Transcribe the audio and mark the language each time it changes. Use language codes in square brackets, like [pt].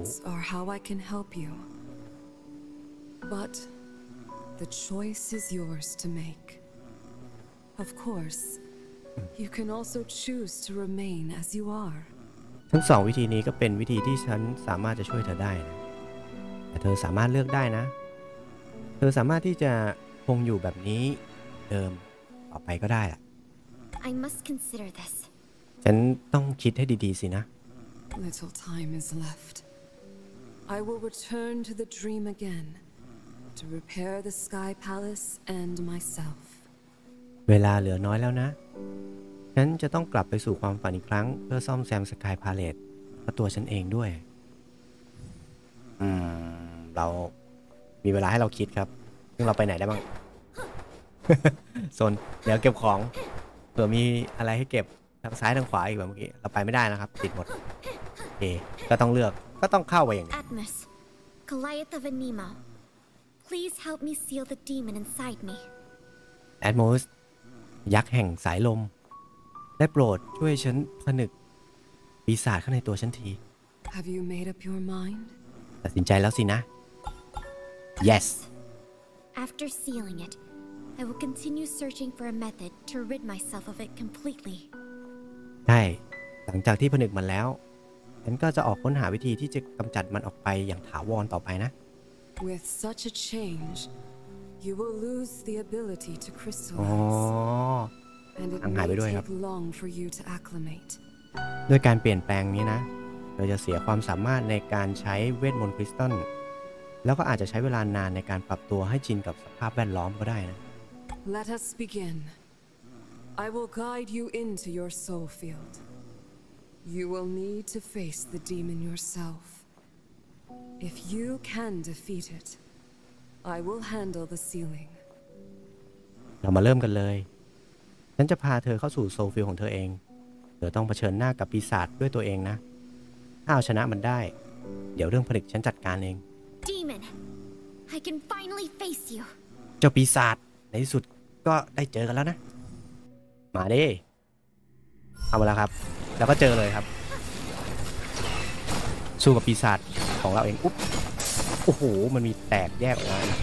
[en] are how I can help you but the choice is yours to make of course you can also choose to remain as you are [th] ทั้งสองวิธีนี้ก็เป็นวิธีที่ฉันสามารถจะช่วยเธอได้นะแต่เธอสามารถเลือกได้นะเธอสามารถที่จะคงอยู่แบบนี้เดิมต่อไปก็ได้ล่ ะ [en] I must consider this [th] ฉันต้องคิดให้ดีๆสินะ [en] Little time is left I will return to the dream again to repair the sky palace and myself [th] เวลาเหลือน้อยแล้วนะฉันจะต้องกลับไปสู่ความฝันอีกครั้งเพื่อซ่อมแซมสกายพาเลทและตัวฉันเองด้วยเรามีเวลาให้เราคิดครับซึ่งเราไปไหนได้บ้างโซนเดี๋ยวเก็บของเผื่อมีอะไรให้เก็บทางซ้ายทางขวาอีกแบบเมื่อกี้เราไปไม่ได้นะครับติดหมดโอเคก็ต้องเลือกก็ต้องเข้าไปอย่าง นี้ [en] Atmos Goliath of Anima Please help me seal the demon inside me [th] Atmos ยักษ์แห่งสายลมได้โปรดช่วยฉันผนึกปีศาจเข้าในตัวฉันที [en] Have you made up your mind? [th] ตัดสินใจแล้วสินะ [en] Yes After sealing it, I will continue searching for a method to rid myself of it completely. [th] ใช่หลังจากที่ผนึกมันแล้วฉันก็จะออกค้นหาวิธีที่จะกำจัดมันออกไปอย่างถาวรต่อไปนะ [en] With such a change you will lose the ability to crystallize. And it may take long for you to acclimate. [th] ด้วยการเปลี่ยนแปลงนี้นะเราจะเสียความสามารถในการใช้เวทมนต์คริสตัลแล้วก็อาจจะใช้เวลานานในการปรับตัวให้ชินกับสภาพแวดล้อมก็ได้นะ [en] Let us begin. I will guide you into your soul field. You will need to face the demon yourself. If you can defeat it, I will handle the ceiling. [th] เรามาเริ่มกันเลยฉันจะพาเธอเข้าสู่โซฟิลของเธอเองเธอต้องเผชิญหน้ากับปีศาจด้วยตัวเองนะถ้าเอาชนะมันได้เดี๋ยวเรื่องผลึกฉันจัดการเอง [en] Demon, I can finally face you. [th] เจ้าปีศาจในที่สุดก็ได้เจอกันแล้วนะมาดิเอามาแล้วครับแล้วก็เจอเลยครับสู้กับปีศาจของเราเองอุ๊บโอ้โหมันมีแตกแยกออกมา